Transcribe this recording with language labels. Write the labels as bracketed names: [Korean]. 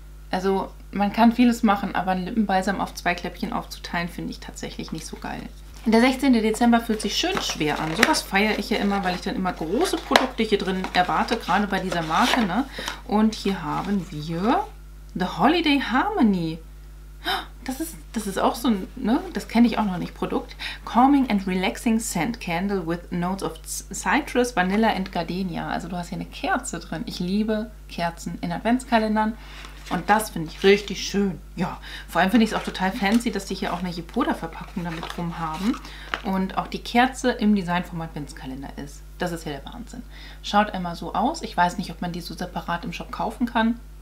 [German] Also, man kann vieles machen, aber einen Lippenbalsam auf zwei Kläppchen aufzuteilen, finde ich tatsächlich nicht so geil. Der 16. Dezember fühlt sich schön schwer an. Sowas feiere ich ja immer, weil ich dann immer große Produkte hier drin erwarte, gerade bei dieser Marke. Ne? Und hier haben wir The Holiday Harmony. Das ist auch so ein, ne, das kenne ich auch noch nicht, Produkt. [English] Calming and Relaxing Scent Candle with Notes of Citrus, Vanilla and Gardenia. [German] Also du hast hier eine Kerze drin. Ich liebe Kerzen in Adventskalendern. Und das finde ich richtig schön. Ja, vor allem finde ich es auch total fancy, dass die hier auch eine Yipoda-Verpackung damit drum haben. Und auch die Kerze im Design vom Adventskalender ist. Das ist ja der Wahnsinn. Schaut einmal so aus. Ich weiß nicht, ob man die so separat im Shop kaufen kann.